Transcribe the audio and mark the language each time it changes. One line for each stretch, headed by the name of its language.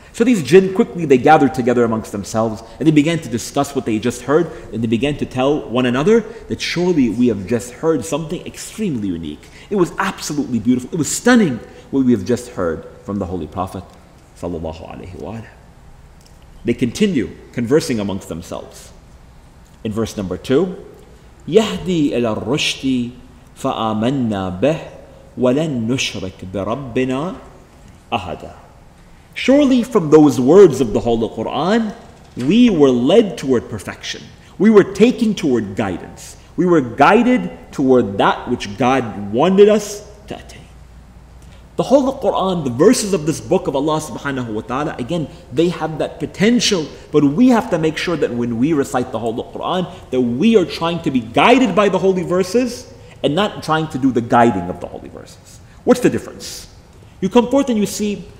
English: So these jinn, quickly they gathered together amongst themselves and they began to discuss what they just heard, and they began to tell one another that surely we have just heard something extremely unique. It was absolutely beautiful. It was stunning what we have just heard from the Holy Prophet sallallahu alaihi wasallam. They continue conversing amongst themselves. In verse number 2,
Arabic: يَهْدِي إِلَى الرُّشْدِ فَآمَنَّا بِهِ وَلَن نُشْرِكْ بِرَبِّنَا أَحَدًا.
English: Surely from those words of the Holy Quran, we were led toward perfection. We were taken toward guidance. We were guided toward that which God wanted us to attain. The Holy Quran, the verses of this book of Allah subhanahu wa ta'ala, again, they have that potential, but we have to make sure that when we recite the Holy Quran, that we are trying to be guided by the holy verses and not trying to do the guiding of the holy verses. What's the difference? You come forth and you see